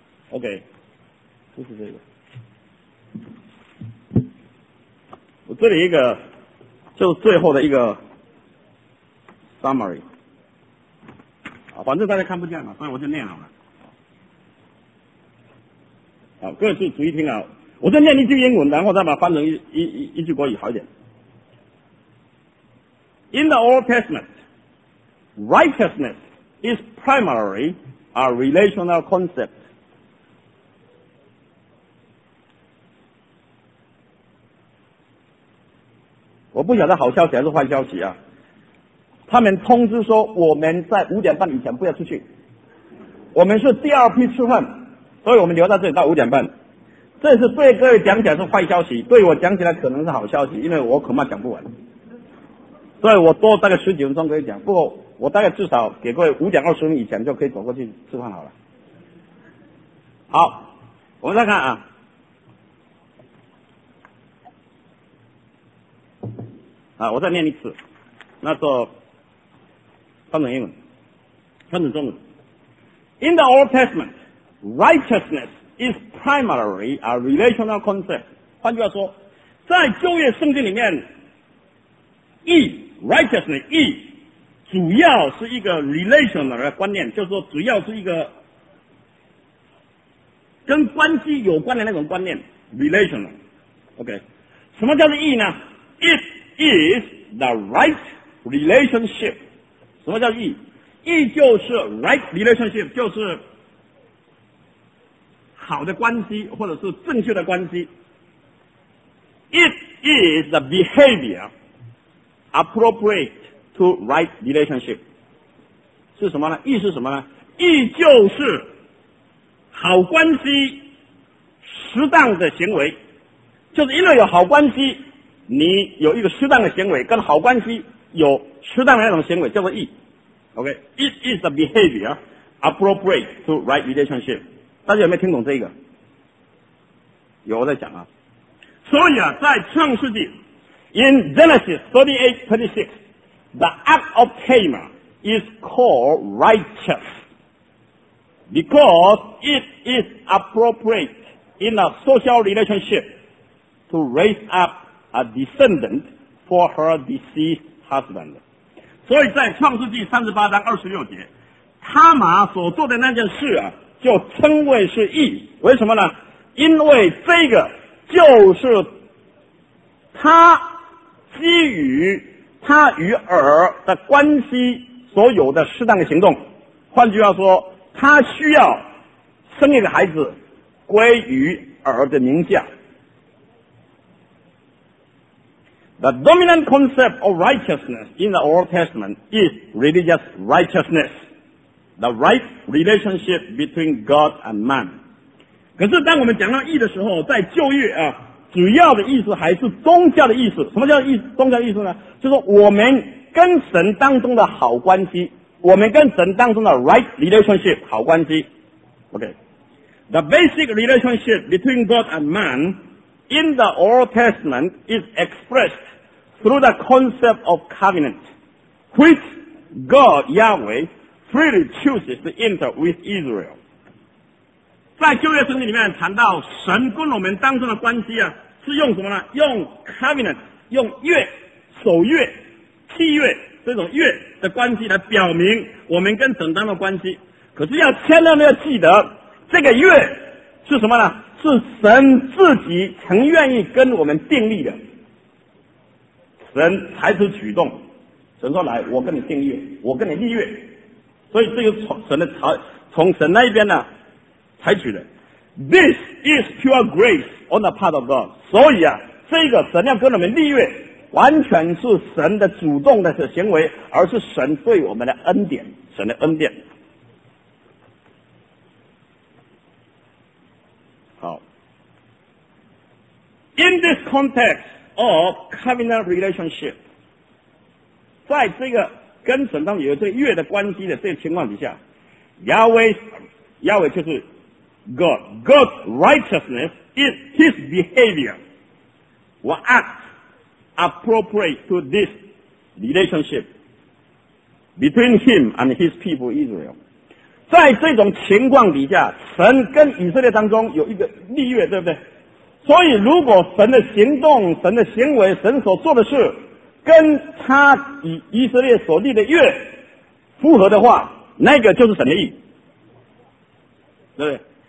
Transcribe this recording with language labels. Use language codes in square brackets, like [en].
[zh] OK， 就是这个，我这里一个就是最后的一个 summary， 反正大家看不见嘛，所以我就念好了。好，各位注意听啊，我就念一句英文，然后再把它翻成一句国语好一点。 [en] In the Old Testament, righteousness is primarily a relational concept. [zh] 我不晓得好消息还是坏消息啊，他们通知说我们在5:30以前不要出去，我们是第二批吃饭，所以我们留到这里到五点半。这是对各位讲起来是坏消息，对我讲起来可能是好消息，因为我恐怕讲不完，所以我多大概十几分钟可以讲，不过我大概至少给各位五点二十分以前就可以走过去吃饭好了。好，我们再看啊，啊，我再念一次，那个翻成英文，翻成中文。 [en] In the Old Testament, righteousness is primarily a relational concept. [zh] 换句话说，在旧约圣经里面，义 righteousness 义主要是一个 relational 的观念，就是说主要是一个跟关系有关的那种观念 relational. OK, 什么叫做义呢？ [en] Is the right relationship. [zh] 什么叫义？义就是 [en] right relationship, [zh] 就是好的关系或者是正确的关系。 [en] It is the behavior appropriate to right relationship. [zh] 是什么呢？义是什么呢？义就是好关系适当的行为，就是因为有好关系，你有一个适当的行为，跟好关系有适当的那种行为叫做义。 [en] OK, It is the behavior appropriate to right relationship. [zh] 大家有没有听懂这个？有，我在讲啊。所以啊，在创世纪 [en] In Genesis 38:26 The act of Tamar is called righteous because it is appropriate in a social relationship to raise upa descendant for her deceased husband. [zh] 所以在创世纪38:26，他玛所做的那件事啊，就称为是义。为什么呢？因为这个就是他基于他与尔的关系所有的适当的行动。换句话说，他需要生一个孩子归于尔的名下。 [en] The dominant concept of righteousness in the Old Testament is religious righteousness, the right relationship between God and man. [zh] 可是当我们讲到义的时候，在旧约啊，主要的意思还是宗教的意思。什么叫义？宗教的意思呢？就是我们跟神当中的好关系，我们跟神当中的 [en] right relationship [zh] 好关系。 [en] OK, the basic relationship between God and man. In the Old Testament is expressed through the concept of covenant, which God, Yahweh, freely chooses to enter with Israel. [zh] 在旧约圣经里面谈到神跟我们当中的关系啊，是用什么呢？用 covenant, 用约、守约、契约这种约的关系来表明我们跟神当中的关系。可是要千万要记得，这个约是什么呢？是神自己曾愿意跟我们订立的，神采取举动，神说来，我跟你订立，我跟你立约，所以这个从神那边呢采取的。 [en] This is pure grace on the part of God. [zh] 所以啊，这个神要跟我们立约，完全是神的主动的行为，而是神对我们的恩典，神的恩典。 [en] In this context of covenant relationship, [zh] 在这个跟神当中有这个约的关系的这个情况底下， Yahweh 就是 God. [en] God's righteousness is his behavior will act appropriate to this relationship between him and his people Israel. [zh] 在这种情况底下，神跟以色列当中有一个立约，对不对？所以如果神的行动、神的行为、神所做的事跟他以以色列所立的约符合的话，那个就是神的义，对不对？